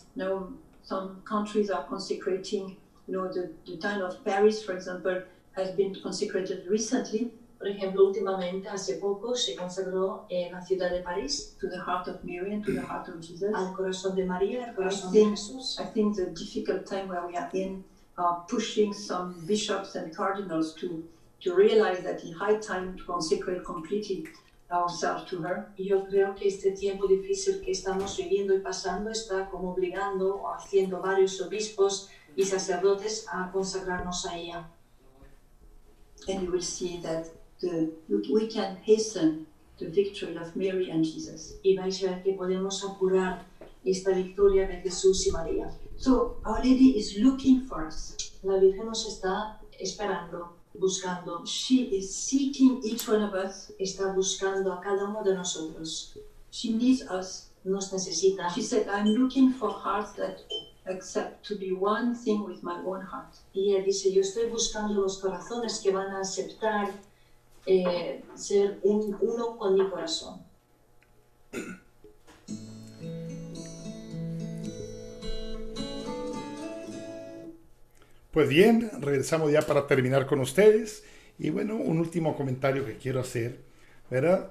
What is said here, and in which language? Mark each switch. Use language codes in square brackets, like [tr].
[en] Now some countries are consecrating, you know, the town of Paris, for example, has been consecrated recently. [es] Por ejemplo, últimamente, hace poco, se consagró en la ciudad de París. [en] To the heart of Mary and to the heart of Jesus. [es] Al corazón de María, al corazón de Jesús. [en] I think the difficult time where we are in are pushing some bishops and cardinals to realize that it's high time to consecrate completely ourselves to her. [es] Yo creo que este tiempo difícil que estamos viviendo y pasando está como obligando o haciendo varios obispos y sacerdotes a consagrarnos a ella. [en] And you will see that we can hasten the victory of Mary and Jesus. [es] Y vais a ver que podemos apurar esta victoria de Jesús y María. [en] So Our Lady is looking for us. [es] La Virgen nos está esperando, buscando. [en] She is seeking each one of us. [es] Está buscando a cada uno de nosotros. [en] She needs us. [es] nos necesita. [en] She said, I'm looking for hearts that accept to be one thing with my own heart. [es] Y ella dice, yo estoy buscando los corazones que van a aceptar ser uno con mi corazón. Pues bien, regresamos ya para terminar con ustedes. Y bueno, un último comentario que quiero hacer, ¿verdad?